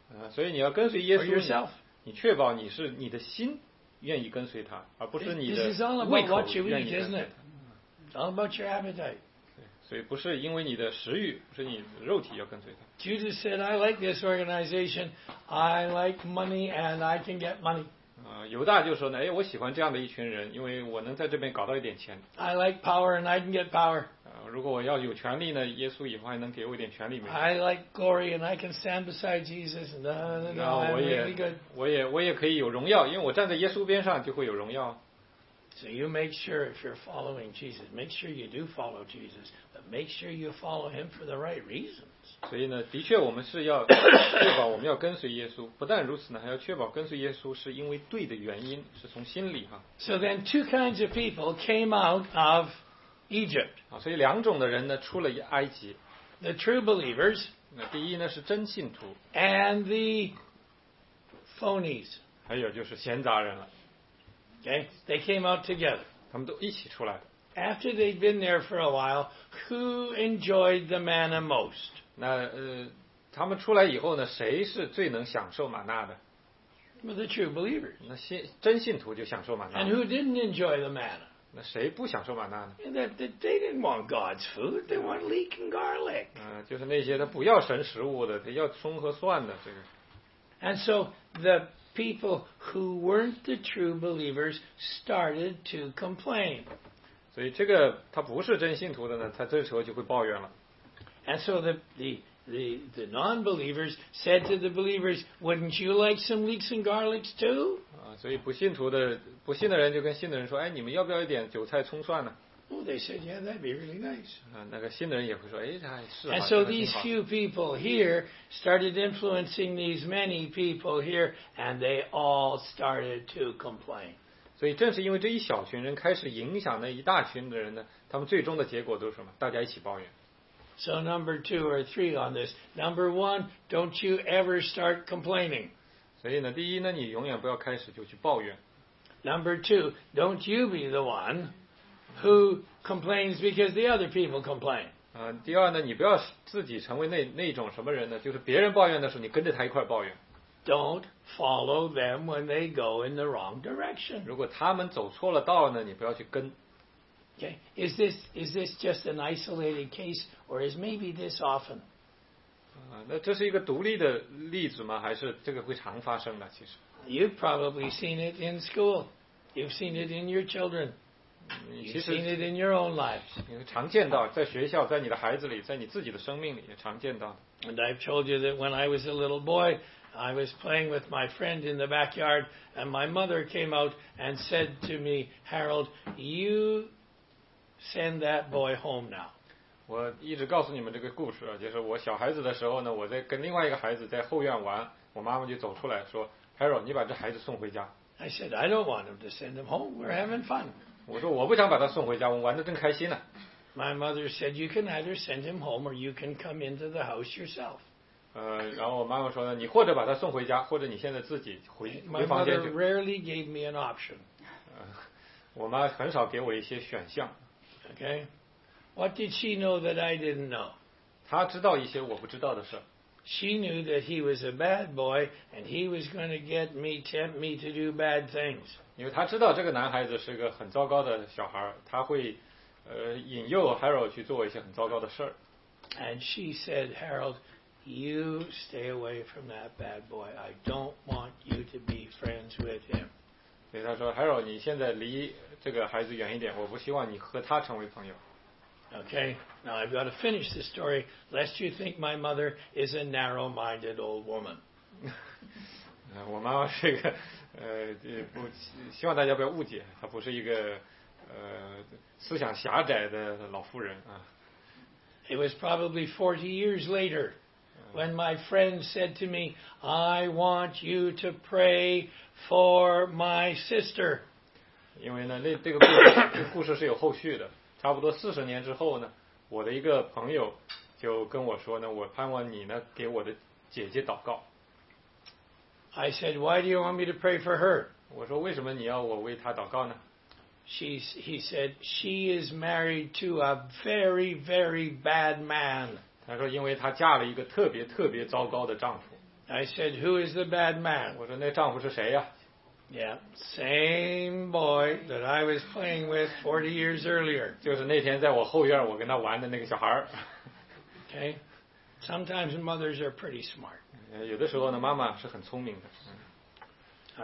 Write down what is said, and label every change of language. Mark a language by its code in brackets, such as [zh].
[zh] 所以你要跟随耶稣。 [en] Or yourself. [zh] 你确保你是你的心愿意跟随他，而不是你的胃口愿意跟随他。 [en] This is all about what you eat, isn't it? All about your appetite. [zh] 所以不是因为你的食欲，是你肉体要跟随他。 [en] Jesus said, "I like this organization. I like money, and I can get money." [zh] 犹大就说呢，哎，我喜欢这样的一群人，因为我能在这边搞到一点钱。 [en] I like power and I can get power. [zh] 如果我要有权利呢，耶稣以后还能给我一点权利没？ [en] I like glory and I can stand beside Jesus. No, no, no, I'm really good. [zh] 我也可以有荣耀，因为我站在耶稣边上就会有荣耀。 [en] So you make sure if you're following Jesus, make sure you do follow Jesus, but make sure you follow him for the right reasons. [zh] 所以呢，的确我们是要确保我们要跟随耶稣。不但如此呢，还要确保跟随耶稣是因为对的原因，是从心里哈。 [en] So then two kinds of people came out of Egypt. [zh] 所以两种的人呢，出了埃及。 [en] The true believers. [zh] 那第一呢，是真信徒。 [en] And the phonies. [zh] 还有就是闲杂人了。 [en] Okay, they came out together. [zh] 他们都一起出来的。 [en] After they'd been there for a while, who enjoyed the manna most? [zh] 那他们出来以后呢，谁是最能享受玛纳的？ [en] The true believers. [zh] 那真信徒就享受玛纳。 [en] And who didn't enjoy the manna? [zh] 那谁不享受玛纳呢？ [en] They didn't want God's food. They want leek and garlic. [zh] 就是那些他不要神食物的，他要葱和蒜的这个。 [en] And so the people who weren't the true believers started to complain. [zh] 所以这个他不是真信徒的呢，他这时候就会抱怨了。 [en] And so the non-believers said to the believers, "Wouldn't you like some leeks and garlics too?" [zh] 所以不信的人就跟信的人说，哎，你们要不要一点韭菜葱蒜呢？ [en] Oh, they said, "Yeah, that'd be really nice." [zh] 那个信的人也会说，哎，是。 [en] And so these few people here started influencing these many people here, and they all started to complain. [zh] 所以正是因为这一小群人开始影响那一大群的人呢，他们最终的结果都是什么？大家一起抱怨。 [en] So number two or three on this. Number one, don't you ever start complaining. [zh] 所以呢，第一呢，你永远不要开始就去抱怨。 [en] Number two, don't you be the one who complains because the other people complain. [zh] 第二呢，你不要自己成为那种什么人呢？就是别人抱怨的时候，你跟着他一块抱怨。 [en] Don't follow them when they go in the wrong direction. [zh] 如果他们走错了道呢，你不要去跟。 [en] Okay, is this just an isolated case, or is maybe this often? [zh] 那这是一个独立的例子吗？还是这个会常发生的？其实 [en] you've probably seen it in school, you've seen it in your children, you've seen it in your own lives. [zh] 常见到在学校，在你的孩子里，在你自己的生命里也常见到。 [en] And I've told you that when I was a little boy, I was playing with my friend in the backyard, and my mother came out and said to me, "Harold, you." Send that boy home now. [zh] 我一直告诉你们这个故事，就是我小孩子的时候呢，我在跟另外一个孩子在后院玩，我妈妈就走出来说 ，Harold， 你把这孩子送回家。 [en] I said I don't want him to send him home. We're having fun. [zh] 我说我不想把他送回家，我玩得正开心呢。 [en] My mother said you can either send him home or you can come into the house yourself. [zh] 然后我妈妈说呢，你或者把他送回家，或者你现在自己回房间去。 [en] My mother rarely gave me an option. [zh] 我妈很少给我一些选项。 [en] Okay, what did she know that I didn't know? [zh] 她知道一些我不知道的事。 [en] She knew that he was a bad boy and he was going to get me, tempt me to do bad things. [zh] 因为她知道这个男孩子是个很糟糕的小孩，他会引诱 Harold 去做一些很糟糕的事。 [en] And she said, "Harold, you stay away from that bad boy. I don't want you to be friends with him. [zh] 所以他说 Harold, 你现在离这个孩子远一点，我不希望你和他成为朋友。 [en] Okay, now I've got to finish the story, lest you think my mother is a narrow-minded old woman. [zh] 我妈妈是一个不希望大家不要误解，她不是一个思想狭窄的老妇人啊。 [en] It was probably 40 years later when my friend said to me, I want you to pray for my sister. [zh] 因为呢，这个故事是有后续的。差不多40年之后呢，我的一个朋友就跟我说呢，我盼望你呢给我的姐姐祷告。 [en] I said, why do you want me to pray for her? [zh] 我说为什么你要我为她祷告呢？ [en] He said, she is married to a very, very bad man. [zh] 他说因为她嫁了一个特别特别糟糕的丈夫。 [en] I said, who is the bad man? [zh] 我说那丈夫是谁呀？ [en] Yeah, same boy that I was playing with 40 years earlier. [zh] 就是那天在我后院我跟他玩的那个小孩。 [en] Okay, sometimes mothers are pretty smart. [zh] 有的时候呢，妈妈是很聪明的。